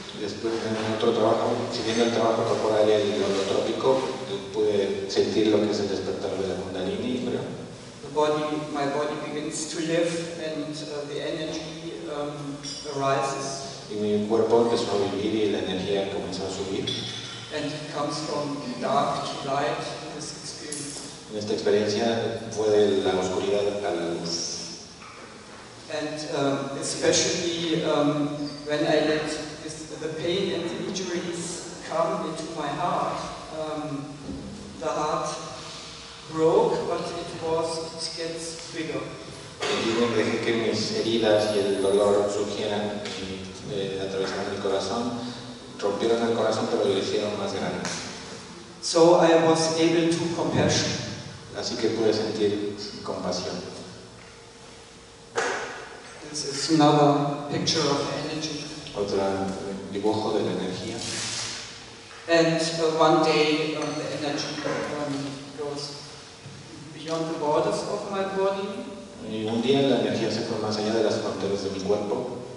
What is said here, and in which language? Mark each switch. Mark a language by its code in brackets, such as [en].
[es] Después en otro trabajo, siguiendo el trabajo corporal y el holotrópico, pude sentir lo que es el despertar de la Kundalini, creo. [en] My body begins to live, and the energy arises. [es] Y mi cuerpo empezó a vivir y la energía comenzó a subir. [en] And it comes from dark to light. This experience. [es] En esta experiencia fue de la oscuridad a la luz. [en] And especially when I let this, the pain and the injuries come into my heart, the heart broke, but it gets bigger. [es] Y no dejé que mis heridas y el dolor surgieran atravesando el corazón, rompieron el corazón, pero lo hicieron más grande. [en] So I was able to compassion. [es] Así que pude sentir compasión. [en] It's another picture of energy. [es] Otro dibujo de la energía. [en] And one day the energy goes beyond the borders of my body. [es] Y un día la energía se fue más allá de las fronteras de mi cuerpo.